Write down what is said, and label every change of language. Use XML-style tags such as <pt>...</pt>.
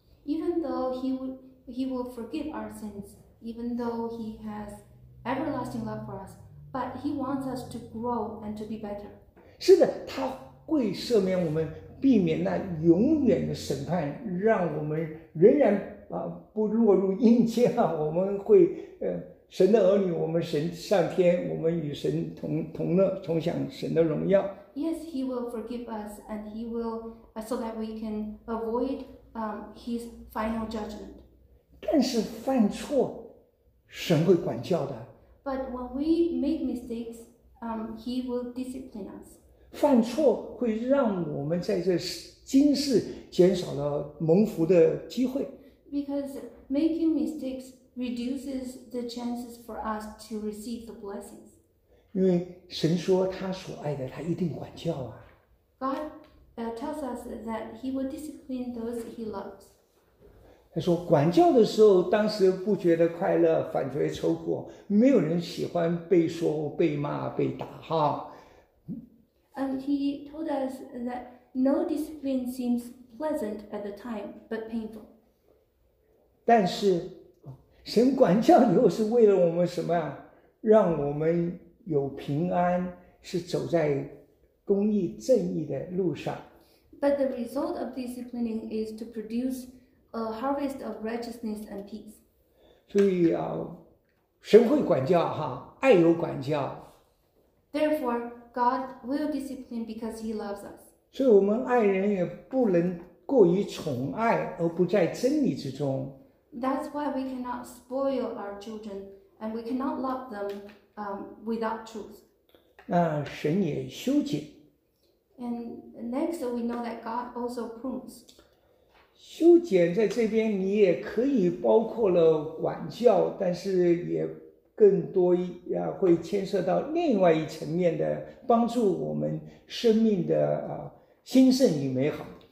<en>Even though He will forgive our sins, even though He has everlasting love for us, but He wants us to grow and to be better.</en> <zh>是的，他会赦免我们，避免那永远的审判，让我们仍然。不落入阴间啊！我们会，神的儿女，我们神上天，我们与神同乐，同享神的荣耀。</zh> <en>Yes, He will forgive us, and He will so that we can avoid His final judgment.</en> <zh>但是犯错，神会管教的。</zh> <en>But when we make mistakes, He will discipline us.</en> <zh>犯错会让我们在这今世减少了蒙福的机会。</zh> <en>Because making mistakes reduces the chances for us to receive the blessings.</en> <zh>因为神说他所爱的，他一定管教啊。</zh> <en>God tells us that He will discipline those He loves.</en> <zh>他说管教的时候，当时不觉得快乐，反觉愁苦。没有人喜欢被说、被骂、被打，哈。</zh> <en>And He told us that no discipline seems pleasant at the time, but painful.</en> <zh>但是神管教以后是为了我们什么呀？让我们有平安，是走在公义正义的路上。</zh> <en>But the result of disciplining is to produce a harvest of righteousness and peace.</en> <zh>所以啊，神会管教哈，爱有管教。</zh> <en>Therefore, God will discipline because He loves us.</en> <zh>所以我们爱人也不能过于宠爱，而不在真理之中。</zh> <en>That's why we cannot spoil our children, and we cannot love them, without truth.</en> <zh>那神也修剪。</zh> <en>And next, we know that God also prunes.</en> <zh>修剪在这边你也可以包括了管教，但是也更多呀，会牵涉到另外一层面的帮助我们生命的啊兴盛与美好。</zh>